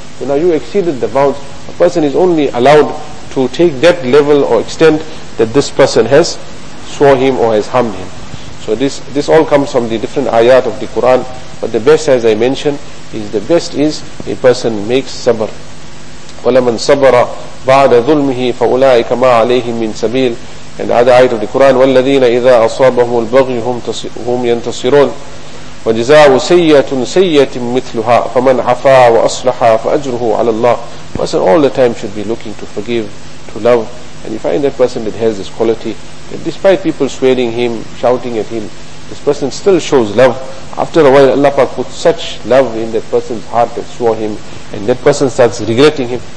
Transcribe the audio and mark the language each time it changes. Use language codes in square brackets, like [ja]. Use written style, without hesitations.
[en] So now you exceeded the bounds. A person is only allowed to take that level or extent that this person has swore him or has harmed him. So this all comes from the different ayat of the Quran. But the best, as I mentioned, is the best is a person makes sabr. [ar] وَلَمَنْ صَبَرَ بَعْدَ ظُلْمِهِ فَأُولَٰئِكَ مَا عَلَيْهِمْ مِنْ سَبِيلٍ. [en] And the other ayat of the Quran, [ar] وَالَّذِينَ إِذَا أَصَابَهُمُ الْبَغْيُ هُمْ يَنْتَصِرُونَ وَجِزَاءُ سَيِّئَةٌ سَيِّئَةٍ مِثْلُهَا فَمَنْ عَفَى وَأَصْلَحَ فَأَجْرُهُ عَلَى اللَّهِ. [en] Person all the time should be looking to forgive, to love. And you find that person that has this quality, that despite people swearing him, shouting at him, this person still shows love. After a while, Allah Pak puts such love in that person's heart that swore him, and that person starts regretting him.